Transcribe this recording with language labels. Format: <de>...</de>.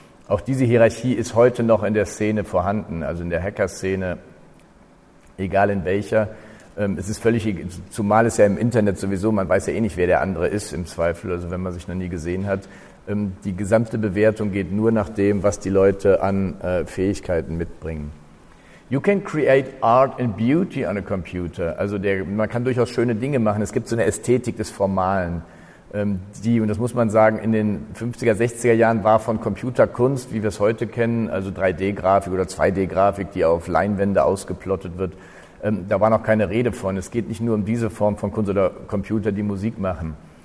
<de>Auch diese Hierarchie ist heute noch in der Szene vorhanden, also in der Hackerszene, egal in welcher. Es ist völlig, zumal es ja im Internet sowieso, man weiß ja eh nicht, wer der andere ist im Zweifel, also wenn man sich noch nie gesehen hat. Die gesamte Bewertung geht nur nach dem, was die Leute an Fähigkeiten mitbringen.</de> <en>You can create art and beauty on a computer.</en> <de>Also man kann durchaus schöne Dinge machen. Es gibt so eine Ästhetik des Formalen. Und das muss man sagen, in den 50er, 60er Jahren war von Computerkunst, wie wir es heute kennen, also 3D-Grafik oder 2D-Grafik, die auf Leinwände ausgeplottet wird, da war noch keine Rede von. Es geht nicht nur um diese Form von Kunst oder Computer, die Musik machen.</de>